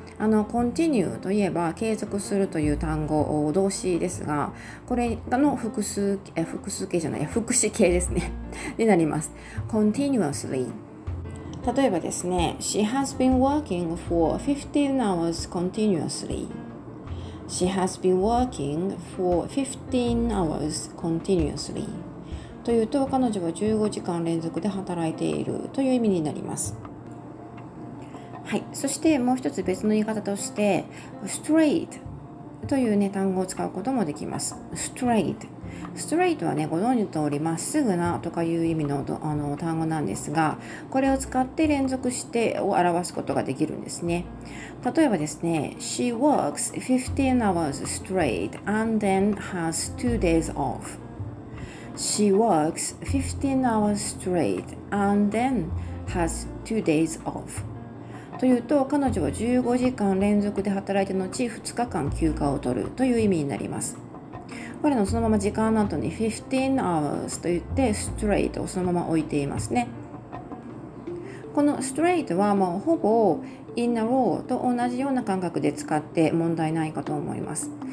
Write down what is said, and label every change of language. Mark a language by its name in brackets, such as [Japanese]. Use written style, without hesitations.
[Japanese] continue といえば継続するという単語、動詞ですが、これの複式形ですねになります。 [English] continuously、 [Japanese] 例えばですね、 [English] She has been working for 15 hours continuously. She has been working for 15 hours continuously. [Japanese] というと、彼女は15時間連続で働いているという意味になります。はい、そしてもう一つ別の言い方として、 straight という、ね、単語を使うこともできます。 straight、 straight はね、ご存じの通り、まっすぐなとかいう意味 の単語なんですが、これを使って連続してを表すことができるんですね。例えばですね、 [English] She works 15 hours straight and then has 2 days off. She works 15 hours straight and then has 2 days off. [Japanese] というと、彼女は15時間連続で働いて後2日間休暇を取るという意味になります。これのそのまま時間の後に15 hours と言って straight をそのまま置いていますね。この straight はもうほぼ in a row と同じような感覚で使って問題ないかと思います。